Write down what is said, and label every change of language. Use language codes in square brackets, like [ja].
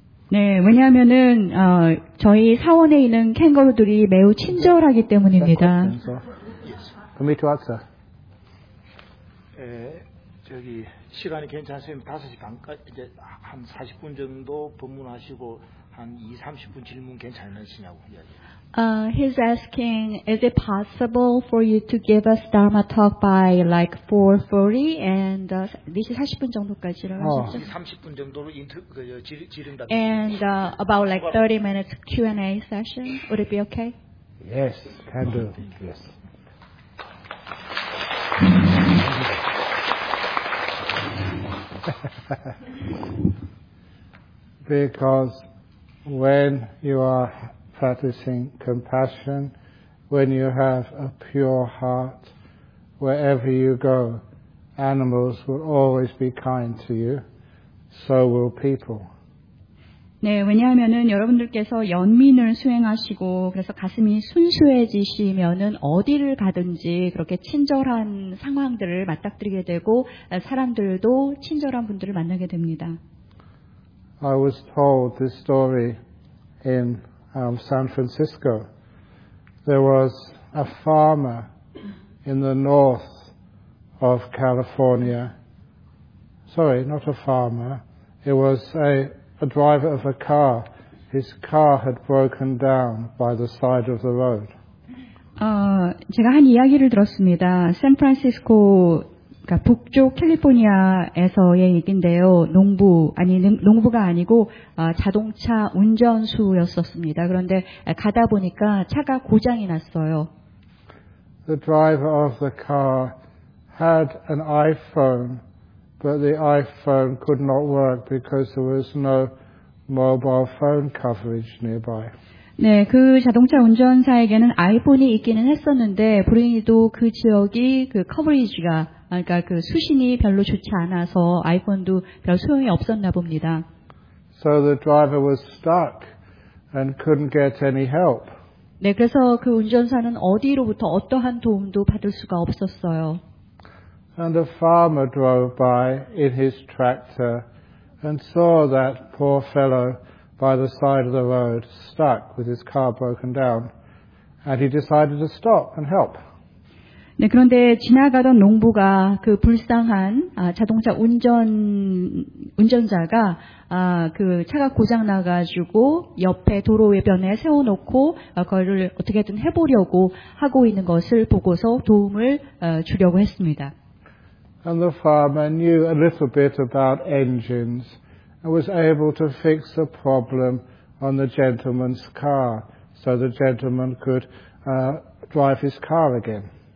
[ko] 네, 왜냐하면은 저희 사원에 있는 캥거루들이 매우 친절하기 때문입니다. [en] For me to answer. [ko] 저기 시간이 괜찮으시면 5시 반까지 이제 한 40분 정도 법문하시고 한 2, 30분 질문 괜찮으시냐고 [en] He's asking, is it possible for you to give us Dharma talk by like 4:40 and [ko] 4시 40분 정도까지를 하셨죠? 30분 정도로 질문답니다. [en] And about like 30 minutes Q&A session, would it be okay? Yes, can do. Yes. Because when you are practicing compassion, when you have a pure heart, wherever you go, animals will always be kind to you, so will people. [ko] 네, 왜냐하면은 여러분들께서 연민을 수행하시고 그래서 가슴이 순수해지시면은 어디를 가든지 그렇게 친절한 상황들을 맞닥뜨리게 되고 사람들도 친절한 분들을 만나게 됩니다. [en] I was told this story in San Francisco. There was a farmer in the north of California. Sorry, not a farmer. It was a driver of a car. His car had broken down by the side of the road. [ko] 제가 한 이야기를 들었습니다. 샌프란시스코 그러니까 북쪽 캘리포니아에서의 얘긴데요. 농부가 아니고 자동차 운전수였었습니다. 그런데 가다 보니까 차가 고장이 났어요. [en] The driver of the car had an iPhone. But the iPhone could not work because there was no mobile phone coverage nearby. [ko] 네, 그 자동차 운전사에게는 아이폰이 있기는 했었는데 불행히도 그 지역이 그 커버리지가 그러니까 그 수신이 별로 좋지 않아서 아이폰도 별 소용이 없었나 봅니다. [en] So the driver was stuck and couldn't get any help. [ko] 네, 그래서 그 운전사는 어디로부터 어떠한 도움도 받을 수가 없었어요. [en] And a farmer drove by in his tractor and saw that poor fellow by the side of the road stuck with his car broken down. And he decided to stop and help. [ko] 네, 그런데 지나가던 농부가 그 불쌍한 자동차 운전자가 그 차가 고장나가지고 옆에 도로변에 세워놓고 그거를 어떻게든 해보려고 하고 있는 것을 보고서 도움을 주려고 했습니다. [en] And the farmer knew a little bit about engines and was able to fix a problem on the gentleman's car so the gentleman could drive his car again.